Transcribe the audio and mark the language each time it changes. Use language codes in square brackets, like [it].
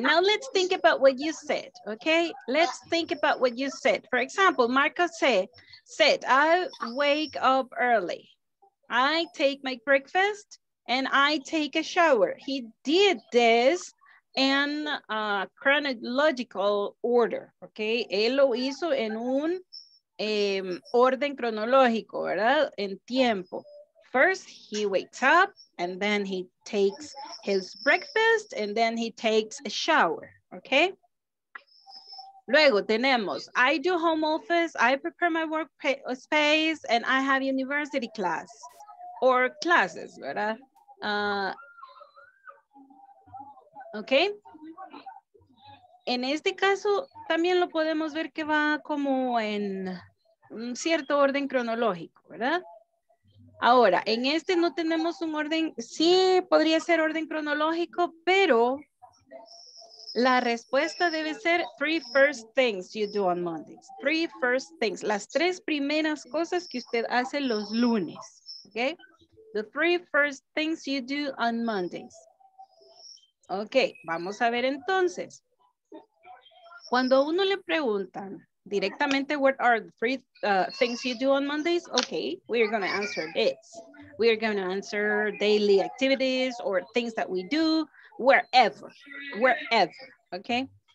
[en] Now let's think about what you said, okay? Let's think about what you said. For example, Marco said, I wake up early. I take my breakfast and I take a shower. He did this in a chronological order, okay? [es] Él lo hizo en un orden cronológico, ¿verdad? En tiempo. [en] First, he wakes up. And then he takes his breakfast and then he takes a shower, okay? [es] Luego tenemos, [en] I do home office, I prepare my work space, and I have university class or classes, ¿verdad? Okay? [es] En este caso, también lo podemos ver que va como en un cierto orden cronológico, ¿verdad? Ahora, en este no tenemos un orden, sí podría ser orden cronológico, pero la respuesta debe ser [en] three first things you do on Mondays. Three first things, [es] las tres primeras cosas que usted hace los lunes, ¿ok? [en] The three first things you do on Mondays. [es] Ok, vamos a ver entonces. Cuando uno le preguntan, directamente, [en] what are the three things you do on Mondays? Okay, we are going to answer this. We are going to answer daily activities or things that we do wherever, wherever, okay?